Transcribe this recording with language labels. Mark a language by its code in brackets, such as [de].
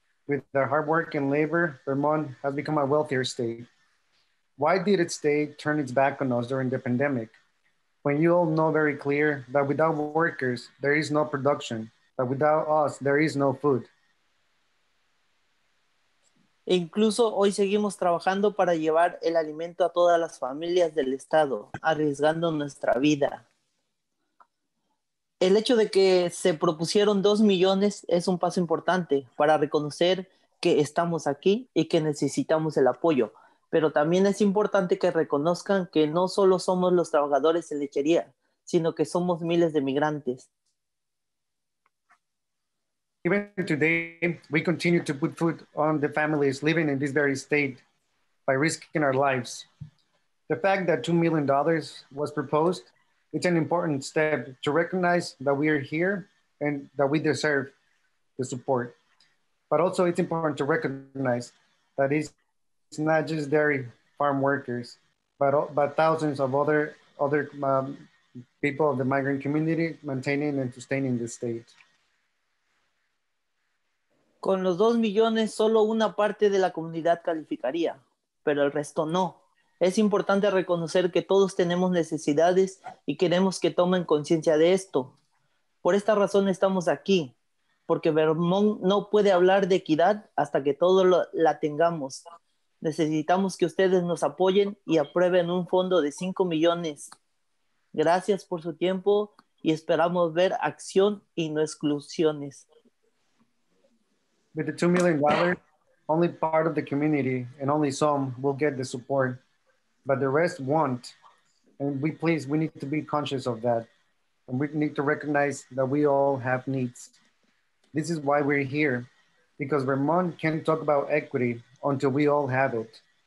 [en] With their hard work and labor, Vermont has become a wealthier state. Why did its state turn its back on us during the pandemic? When you all know very clear that without workers, there is no production, that without us, there is no food. [es] Incluso hoy seguimos trabajando para llevar el alimento a todas las familias del estado, arriesgando nuestra vida. El hecho de que se propusieron 2,000,000 es un paso importante para reconocer que estamos aquí y que necesitamos el apoyo. Pero también es importante que reconozcan que no solo somos los trabajadores en lechería, sino que somos miles de migrantes. [en] Even today, we continue to put food on the families living in this very state by risking our lives. The fact that $2 million was proposed, it's an important step to recognize that we are here and that we deserve the support. But also it's important to recognize that it's not just dairy farm workers, but thousands of other people of the migrant community maintaining and sustaining the state. [es] Con los 2 millones, solo una parte de la comunidad calificaría, pero el resto no. Es importante reconocer que todos tenemos necesidades y queremos que tomen conciencia de esto. Por esta razón estamos aquí, porque Vermont no puede hablar de equidad hasta que todo la tengamos. Necesitamos que ustedes nos apoyen y aprueben un fondo de 5 millones. Gracias por su tiempo y esperamos ver acción y no exclusiones. [en] With the $2 million, only part of the community and only some will get the support, but the rest won't. And we need to be conscious of that. And we need to recognize that we all have needs. This is why we're here, because Vermont can't talk about equity until we all have it.